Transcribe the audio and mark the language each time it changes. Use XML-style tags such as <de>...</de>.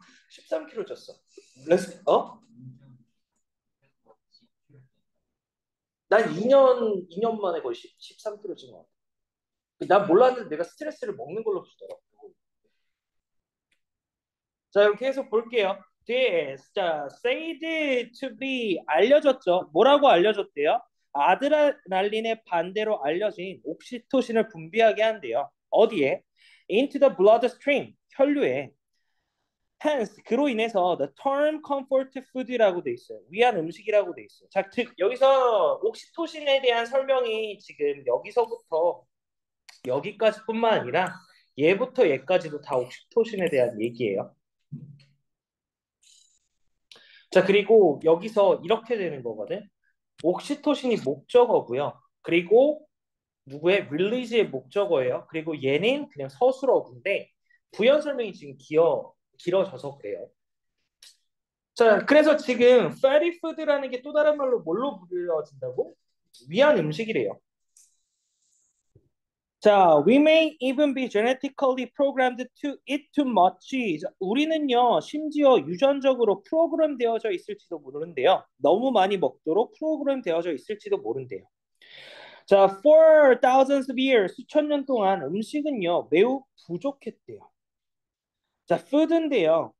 <ko>13kg 쪘어. 렉스, 어? 난 2년 만에 거의 13kg 찐것 같아. 난 몰랐는데 내가 스트레스를 먹는 걸로 주더라고. 자, 그럼 계속 볼게요. This, 자,</ko> <en>said to be</en> <ko>알려졌죠. 뭐라고 알려졌대요? 아드레날린의 반대로 알려진 옥시토신을 분비하게 한대요. 어디에?</ko> <en>Into the bloodstream,</en> <ko>혈류에.</ko> <en>Hence,</en> <ko>그로 인해서</ko> <en>the term comfort food</en> <ko>이라고 돼 있어요. 위안 음식이라고 돼 있어요. 자, 즉 여기서 옥시토신에 대한 설명이 지금 여기서부터 여기까지뿐만 아니라 예부터 예까지도 다 옥시토신에 대한 얘기예요. 자, 그리고 여기서 이렇게 되는 거거든. 옥시토신이 목적어고요. 그리고 누구의 릴리즈의 목적어예요. 그리고 얘는 그냥 서술어인데 부연 설명이 지금 길어져서 그래요. 자, 그래서 지금 fatty food라는 게또 다른 말로 뭘로 불려진다고? 위안 음식이래요.</ko> <en>자, we may even be genetically programmed to eat too much.</en> <ko>우리는요, 심지어 유전적으로 프로그램되어져 있을지도 모르는데요. 너무 많이 먹도록 프로그램되어져 있을지도 모른대요. 자,</ko> <en>for thousands of years,</en> <ko>수천 년 동안 음식은요, 매우 부족했대요. 자, food인데요.</ko>